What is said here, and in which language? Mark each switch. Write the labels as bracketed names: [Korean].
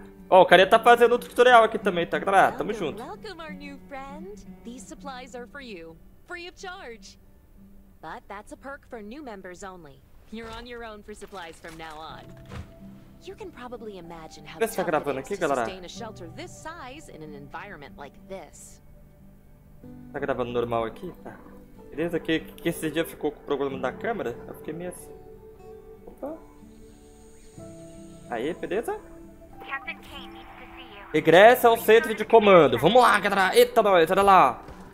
[Portuguese] Ó, o cara tá fazendo outro tutorial aqui também, tá, galera? Tamo junto. [English] Welcome, our new friend. These supplies are for you, free of charge. But that's a perk for new members only. You're on your own for supplies from now on. You can probably imagine how tough it is to sustain a shelter this size in an environment like this. [Portuguese] Tá gravando normal aqui, tá? Beleza, que esse dia ficou com o problema da câmera? Eu fiquei meio assim. Opa. Aí, beleza? Regressa ao centro de comando. Vamos lá, galera. Eita, nós, olha lá.